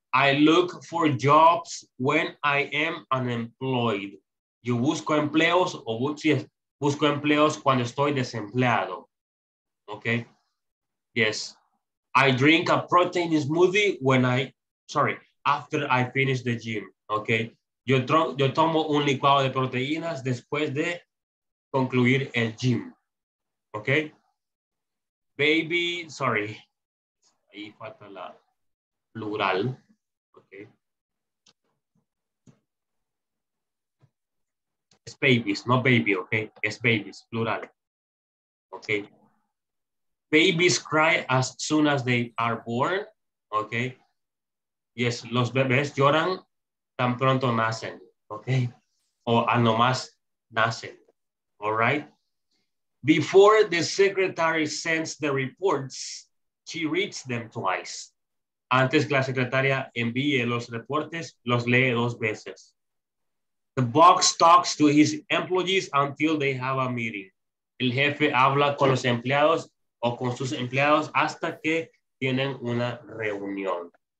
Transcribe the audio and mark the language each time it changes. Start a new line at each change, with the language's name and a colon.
English: I look for jobs when I am unemployed.
Spanish: Yo busco empleos o busco empleos cuando estoy desempleado.
English: Okay. Yes. I drink a protein smoothie when I, sorry, after I finish the gym. Okay.
Spanish: Yo tomo un licuado de proteínas después de concluir el gym.
English: Okay, baby, sorry,
Spanish: ahí falta la plural, okay.
English: It's babies, not baby, okay, it's babies, plural, okay. Babies cry as soon as they are born, okay.
Spanish: Yes, los bebés lloran tan pronto nacen, okay, o al nomás nacen,
English: all right. Before the secretary sends the reports, she reads them twice.
Spanish: Antes que la secretaria envíe los reportes, los lee dos veces.
English: The boss talks to his employees until they have a meeting.
Spanish: El jefe habla con los empleados o con sus empleados hasta que tienen una reunión.